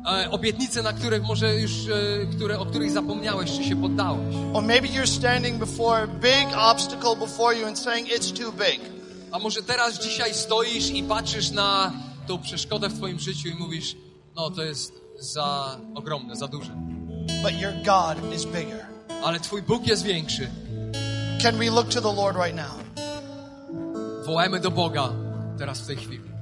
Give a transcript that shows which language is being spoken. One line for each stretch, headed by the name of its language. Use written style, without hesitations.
Polish: Obietnice, na których może już, o których zapomniałeś, czy się poddałeś.
English: Or maybe you're standing before a big obstacle before you and saying it's too big.
Polish: A może teraz dzisiaj stoisz i patrzysz na tą przeszkodę w twoim życiu i mówisz, no to jest za ogromne, za duże.
English: But your God is bigger.
Polish: Ale twój Bóg jest większy.
English: Can we look to the Lord right now?
Polish: Wołajmy do Boga teraz w tej chwili.